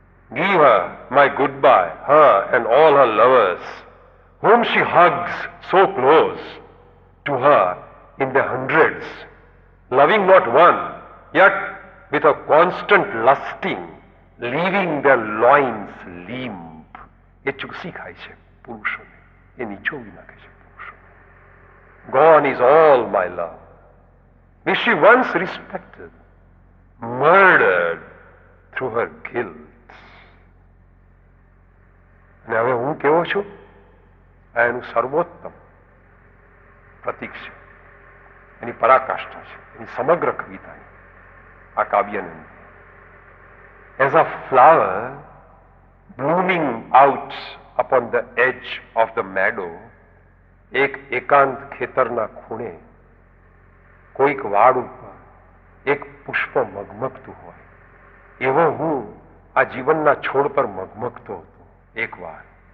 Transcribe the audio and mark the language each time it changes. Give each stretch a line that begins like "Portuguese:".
English: Give her my goodbye, her and all her lovers home she hugs so close to her in the hundreds, loving not one yet with a constant lasting leaving the loins limp.
Gujarati: એ ચૂસી ખાય છે પુરુષોને, એ નીચોવી નાખે છે પુરુષોને.
English: Gone is all my love which she once respected, murdered through her guilt.
Gujarati: અને હવે હું કેવો છું? આ એનું સર્વોત્તમ પ્રતીક છે, એની પરાકાષ્ઠા છે, એની સમગ્ર કવિતા આ કાવ્યને.
English: as a flower blooming out upon the edge of the meadow,
Gujarati: એકાંત ખેતરના ખૂણે કોઈક વાડ ઉપર એક પુષ્પ મગમગતું હોય, એવો હું આ જીવનના છોડ પર મગમગતો હતો એક વાર.